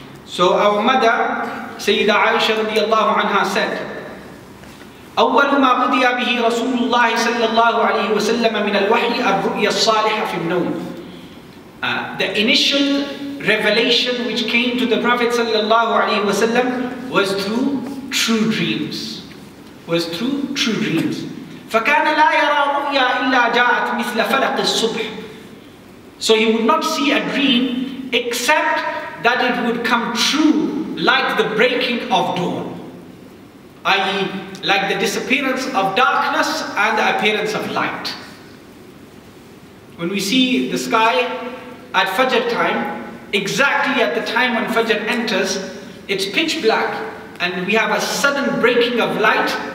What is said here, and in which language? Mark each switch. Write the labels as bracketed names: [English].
[English] So our mother, Sayyida Aisha radiallahu anha, said, [Arabic] أول ما بدي به رسول الله صلى الله عليه وسلم من الوحي الرؤيا الصالحة في النوم. [English] The initial revelation which came to the Prophet صلى الله عليه وسلم was through true dreams. Was through true dreams. [Arabic] فكان لا يرى رؤيا إلا جاءت مثل فلق الصبح. [English] So he would not see a dream except that it would come true like the breaking of dawn. I.e. like the disappearance of darkness and the appearance of light. When we see the sky at Fajr time, exactly at the time when Fajr enters, it's pitch black and we have a sudden breaking of light.